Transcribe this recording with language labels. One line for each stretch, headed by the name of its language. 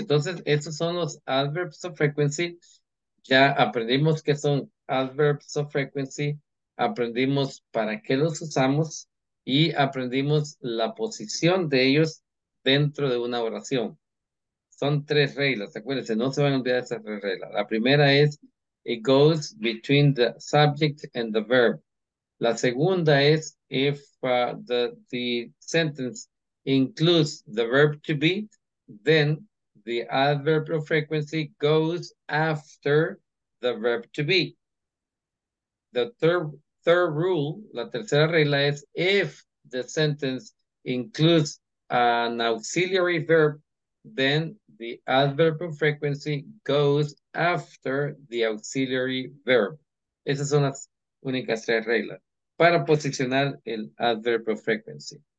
Spanish: Entonces, esos son los adverbs of frequency. Ya aprendimos qué son adverbs of frequency. Aprendimos para qué los usamos. Y aprendimos la posición de ellos dentro de una oración. Son tres reglas, acuérdense, no se van a olvidar esas tres reglas. La primera es,
English: it goes between the subject and the verb.
Spanish: La segunda es,
English: if the sentence includes the verb to be, then the adverb of frequency goes after the verb to be. The third third rule,
Spanish: la tercera regla es
English: if the sentence includes an auxiliary verb, then the adverb of frequency goes after the auxiliary verb.
Spanish: Esas son las únicas tres reglas para posicionar el adverb of frequency.